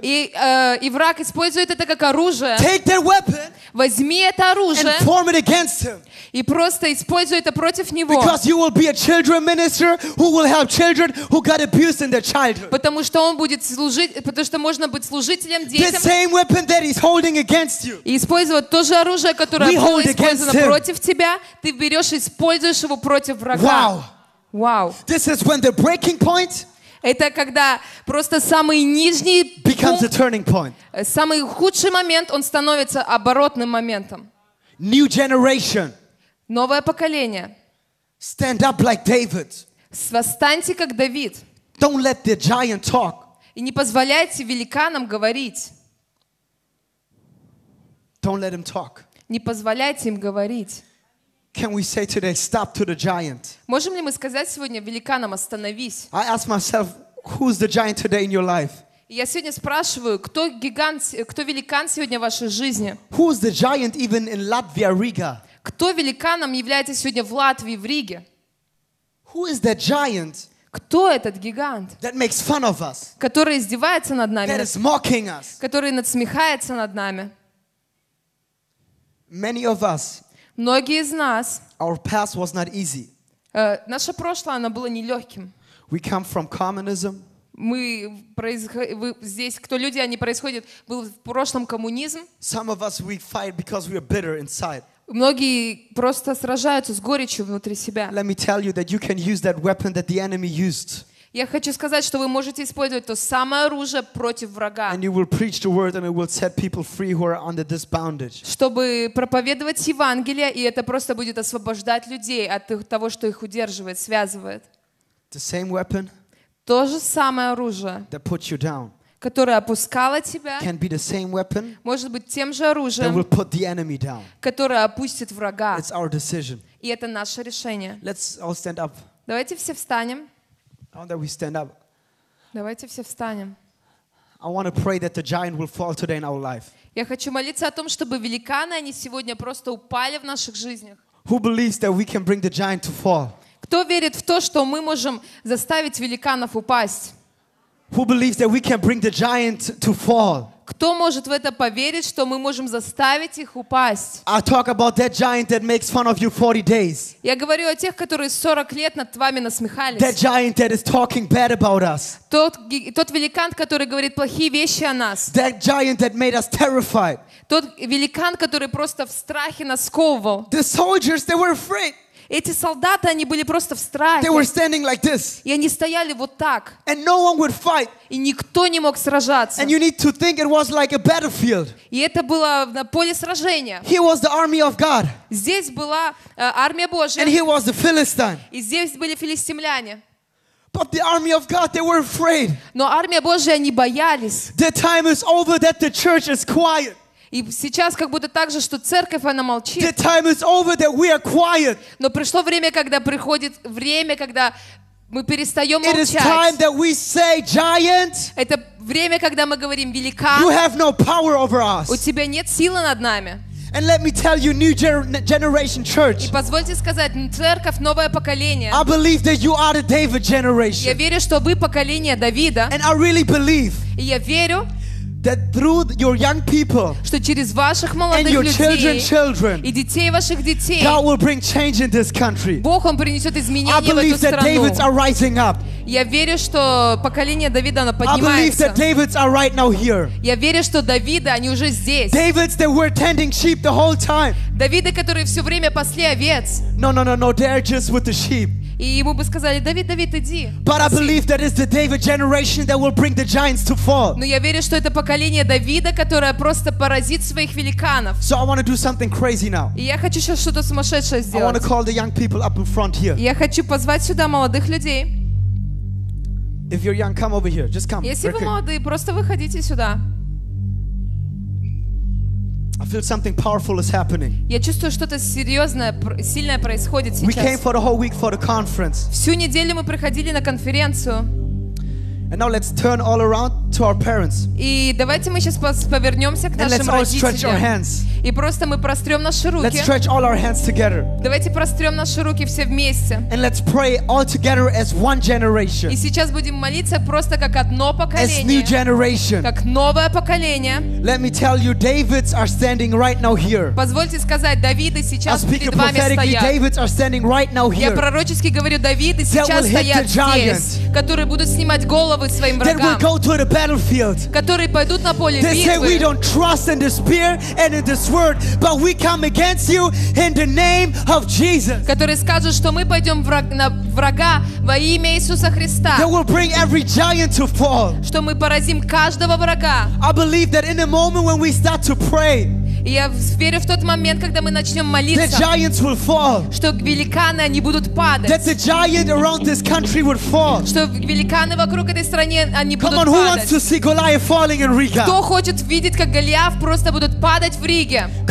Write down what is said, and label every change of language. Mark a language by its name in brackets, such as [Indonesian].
[Russian] И враг использует это как оружие. [English] Take that weapon. [Russian] Возьми это оружие [English] and form it against him. [Russian] И просто используй это против него. [English] Because you will be a children minister who will help children who got abused in their childhood. [Russian] Потому что он будет служить, потому что можно быть служителем детям. [English] The same weapon that he's holding against you. [Russian] И использовать то же оружие, которое [English] we [Russian] было использовано против тебя, ты берешь и используешь его против врага. [English] Wow. Wow. This is when the breaking point. [Russian] Это когда просто самый нижний [English] becomes a turning point. [Russian] Самый худший момент, он становится оборотным моментом. [English] New generation. [Russian] Новое поколение. [English] Stand up like David. [Russian] Восстаньте как Давид. [English] Don't let the giant talk. [Russian] И не позволяйте великанам говорить. [English] Don't let him talk. [Russian] Не позволяйте им говорить. [English] Can we say today, stop to the giant? [Russian] Можем ли мы сказать сегодня великанам остановись? [English] I ask myself, who's the giant today in your life? [Russian] Я сегодня спрашиваю, кто гигант, кто великан сегодня в вашей жизни? [English] Who's the giant even in Latvia, Riga? [Russian] Кто великаном является сегодня в Латвии, в Риге? [English] Who is the giant? [Russian] Кто этот гигант? [English] That makes fun of us. [Russian] Который издевается над нами. [English] That is mocking us. [Russian] Который надсмехается над нами. [English] Many of us. [Russian] Многие из нас. [English] Our past was not easy. [Russian] Наше прошлое, оно было нелегким. [English] We come from communism. [Russian] Мы здесь, кто люди, они происходят, был в прошлом коммунизм. [English] Some of us we fight because we are bitter inside. [Russian] Многие просто сражаются с горечью внутри себя. [English] Let me tell you that you can use that weapon that the enemy used. [Russian] Я хочу сказать, что вы можете использовать то самое оружие против врага. [English] And you will preach the word and it will set people free who are under this bondage. [Russian] Чтобы проповедовать Евангелие, и это просто будет освобождать людей от того, что их удерживает, связывает. [English] The same weapon. [Russian] То же самое оружие. [English] That put you down. [Russian] которая опускала тебя, [English] can be the same weapon, [Russian] может быть тем же оружием, [English] that will put the enemy down. [Russian] Которая опустит врага. [English] It's our decision. [Russian] И это наше решение. [English] Let's all stand up. [Russian] Давайте все встанем. [English] I want that we stand up. [Russian] Давайте все встанем. [English] I want to pray that the giant will fall today in our life. [Russian] Я хочу молиться о том, чтобы великаны они сегодня просто упали в наших жизнях. [English] Who believes that we can bring the giant to fall? [Russian] Кто верит в то, что мы можем заставить великанов упасть? [English] Who believes that we can bring the giant to fall? [Russian] Кто может в это поверить, что мы можем заставить их упасть? [English] I talk about that giant that makes fun of you 40 days. [Russian] Я говорю о тех, которые 40 лет над вами насмехались. [English] That giant that is talking bad about us. [Russian] Тот великан, который говорит плохие вещи о нас. [English] That giant that made us terrified. [Russian] Тот великан, который просто в страхе нас сковывал. [English] The soldiers, they were afraid. [Russian] Эти солдаты, они были просто в страхе. [English] They were standing like this. [Russian] И они стояли вот так. [English] And no one would fight. [Russian] И никто не мог сражаться. [English] And you need to think it was like a battlefield. [Russian] И это было на поле сражения. [English] He was the army of God. [Russian] Здесь была армия Божья. [English] And he was the Philistine. [Russian] И здесь были филистимляне. [English] But the army of God, they were afraid. [Russian] Но армия Божья, они боялись. [English] The time is over that the church is quiet. [Russian] И сейчас как будто так же, что церковь, она молчит. [English] The time is over that we are quiet. [Russian] Но пришло время, когда приходит время, когда мы перестаем [English] It [Russian] молчать. [English] Is time that we say, giant, [Russian] это время, когда мы говорим, великан, [English] you have no power over us. [Russian] У тебя нет силы над нами. [English] And let me tell you, new generation church. [Russian] И позвольте сказать, церковь, новое поколение. [English] I believe that you are the David generation. [Russian] Я верю, что вы поколение Давида. [English] And I really believe. [Russian] И я верю, [English] That through your young people and your children, [Russian] и детей ваших детей, [English] God will bring change in this country. [Russian] Бог он принесет изменения в эту страну. [English] I believe that Davids are rising up. [Russian] Я верю, что поколение Давида оно поднимается. [English] I believe that Davids are right now here. [Russian] Я верю, что Давиды они уже здесь. [English] Davids that were tending sheep the whole time. [Russian] Давиды, которые все время пасли овец. [English] No, they're just with the sheep. [Russian] И ему бы сказали, Давид, иди. [English] But I believe that is the David generation that will bring the giants to fall. [Russian] Но я верю, что это поколение Давида, которое просто поразит своих великанов. [English] So I want to do something crazy now. [Russian] И я хочу сейчас что-то сумасшедшее сделать. [English] I want to call the young people up in front here. [Russian] Я хочу позвать сюда молодых людей. [English] If you're young, come over here. Just come. [Russian] Если вы молодые, просто выходите сюда. [English] I feel something powerful is happening. [Russian] Я чувствую, что-то серьезное, сильное происходит сейчас. [English] We came for the whole week for the conference. [Russian] Всю неделю мы приходили на конференцию. [English] And now let's turn all around to our parents. [Russian] И давайте мы сейчас повернемся к [English] And [Russian] нашим [English] let's all [Russian] родителям. [English] Stretch our hands. [Russian] И просто мы прострем наши руки. [English] Let's stretch all our hands together. [Russian] Давайте прострем наши руки все вместе. [English] And let's pray all together as one generation. [Russian] И сейчас будем молиться просто как одно поколение. [English] As new generation. [Russian] Как новое поколение. [English] Let me tell you, Davids are standing right now here. [Russian] Позвольте сказать, Давиды сейчас перед вами стоят. [English] Davids are standing right now here. [Russian] Я пророчески говорю, Давиды сейчас стоят здесь, которые будут снимать голову. [English] That will go to the battlefield. [Russian] Которые пойдут на поле битвы. [English] They say we don't trust in the spear and in this word, but we come against you in the name of Jesus. [Russian] Которые скажут, что мы пойдем на врага во имя Иисуса Христа. [English] That will bring every giant to fall. [Russian] Что мы поразим каждого врага. [English] I believe that in the moment when we start to pray. [Russian] И я верю в тот момент, когда мы начнем молиться, что великаны, они будут падать, что великаны вокруг этой страны, они будут падать. Кто хочет видеть, как Голиаф просто будут падать в Риге?